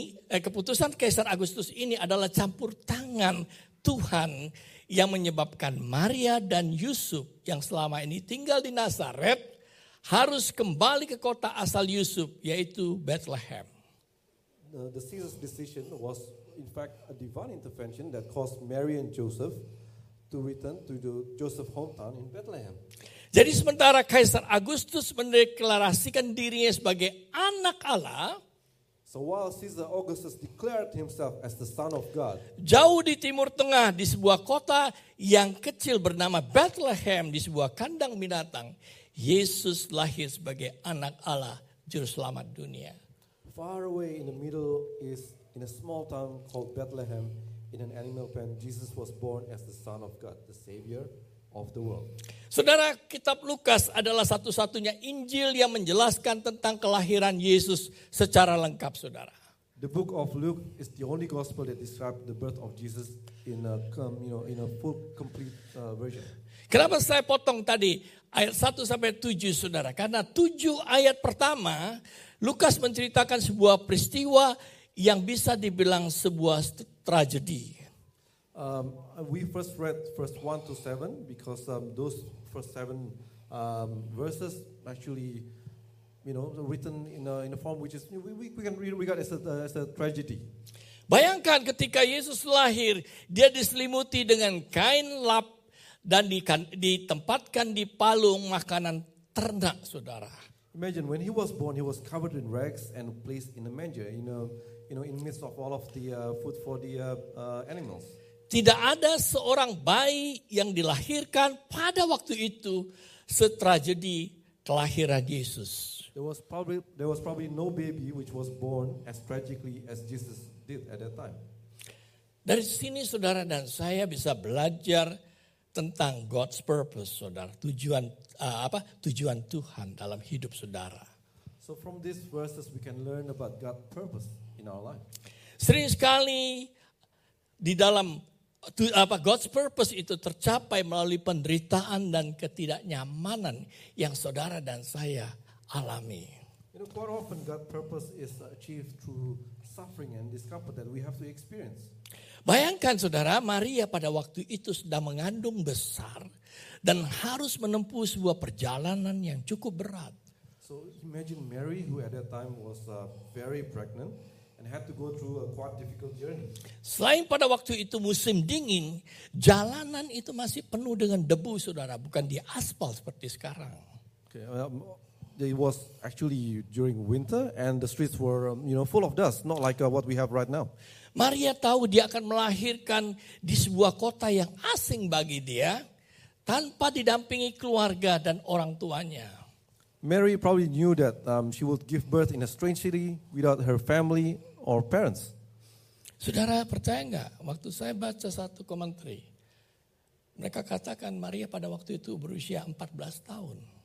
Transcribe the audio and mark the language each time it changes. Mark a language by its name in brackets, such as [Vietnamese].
[Indonesian] Keputusan Kaisar Augustus ini adalah campur tangan Tuhan yang menyebabkan Maria dan Yusuf yang selama ini tinggal di Nazaret harus kembali ke kota asal Yusuf, yaitu Bethlehem. [English] The Caesar's decision was in fact a divine intervention that caused Mary and Joseph to return to the Joseph's hometown in Bethlehem. [Indonesian] Jadi sementara Kaisar Augustus mendeklarasikan dirinya sebagai anak Allah, [English] so while Caesar Augustus declared himself as the son of God, [Indonesian] jauh di timur tengah di sebuah kota yang kecil bernama Bethlehem di sebuah kandang binatang, Yesus lahir sebagai anak Allah, juru selamat dunia. [English] Far away in the middle is in a small town called Bethlehem in an animal pen, Jesus was born as the son of God, the savior of the world. [Indonesian] Saudara, kitab Lukas adalah satu-satunya Injil yang menjelaskan tentang kelahiran Yesus secara lengkap, saudara. [English] The book of Luke is the only gospel that describes the birth of Jesus in a in a full complete version. [Indonesian] Kenapa saya potong tadi ayat 1 sampai 7, saudara? Karena 7 ayat pertama Lukas menceritakan sebuah peristiwa yang bisa dibilang sebuah tragedi. [English] We first read first 1 to 7 because those first 7 verses actually, you know, written in a form which is we can regard as a tragedy. [Indonesian] Bayangkan ketika Yesus lahir, dia diselimuti dengan kain lap dan ditempatkan di palung makanan ternak, saudara. [English] Imagine when he was born, he was covered in rags and placed in a manger, you know, in midst of all of the food for the animals. [Indonesian] Tidak ada seorang bayi yang dilahirkan pada waktu itu setragedi kelahiran Yesus. [English] There was probably no baby which was born as tragically as Jesus did at that time. [Indonesian] Dari sini saudara dan saya bisa belajar tentang [English] God's purpose, [Indonesian] saudara, tujuan Tuhan dalam hidup saudara. [English] So from these verses we can learn about God's purpose in our life. [Indonesian] Sering sekali di dalam [English] God's purpose [Indonesian] itu tercapai melalui penderitaan dan ketidaknyamanan yang saudara dan saya alami. [English] You know, quite often God's purpose is achieved through suffering and discomfort that we have to experience. [Indonesian] Bayangkan saudara, Maria pada waktu itu sedang mengandung besar dan harus menempuh sebuah perjalanan yang cukup berat. [English] So imagine Mary who at that time was very pregnant and had to go through a quite difficult journey. [Indonesian] Selain pada waktu itu musim dingin, jalanan itu masih penuh dengan debu, saudara, bukan di aspal seperti sekarang. [English] Okay, it was actually during winter and the streets were full of dust, not like what we have right now. [Indonesian] Maria tahu dia akan melahirkan di sebuah kota yang asing bagi dia, tanpa didampingi keluarga dan orang tuanya. [English] Mary probably knew that she would give birth in a strange city without her family or parents. [Indonesian] Saudara, percaya enggak? Waktu saya baca satu komentari, mereka katakan Maria pada waktu itu berusia 14 tahun.